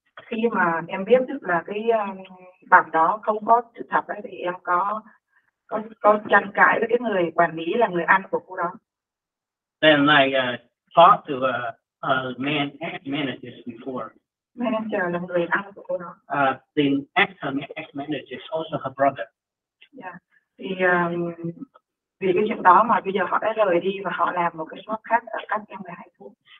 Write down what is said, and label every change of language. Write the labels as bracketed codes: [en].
[vi] Khi mà em biết được là cái bằng đó không có sự thật ấy, thì em có tranh cãi với cái người quản lý là người anh của cô đó. [en] Then I talked to a man manager before. [vi] Manager là người anh của cô đó. [en] The ex manager is also her brother. Yeah. [vi] Thì vì cái chuyện đó mà bây giờ họ đã rời đi và họ làm một cái shop khác ở cách em 12 phút.